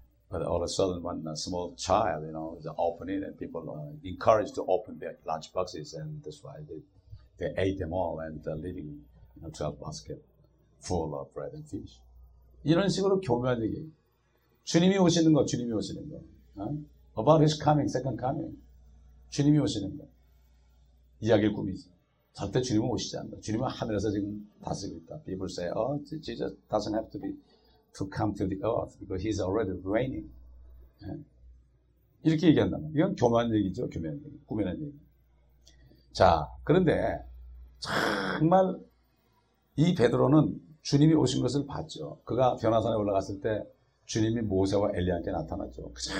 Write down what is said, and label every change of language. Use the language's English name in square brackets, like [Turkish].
[English] But all of a sudden, when a small child, you know, is opening and people are encouraged to open their lunchboxes, and that's why they ate them all and leaving, you know, 12 buckets. Full of bread and fish. [Korean] 이런 식으로 교묘한 얘기. 주님이 오시는 거. [English] About his coming, second coming. [Korean] 주님이 오시는 거. 이야기를 꾸미지. 절대 주님은 오시지 않는다. 주님은 하늘에서 지금 다스리고 있다. [English] People say, oh, Jesus doesn't have to be to come to the earth because he's already reigning. [Korean] 이렇게 얘기한다면 이건 교묘한 얘기죠. 교묘한 얘기. 꾸며낸 얘기. 자, 그런데 정말 이 베드로는 주님이 오신 것을 봤죠. 그가 변화산에 올라갔을 때 주님이 모세와 엘리야한테 나타났죠.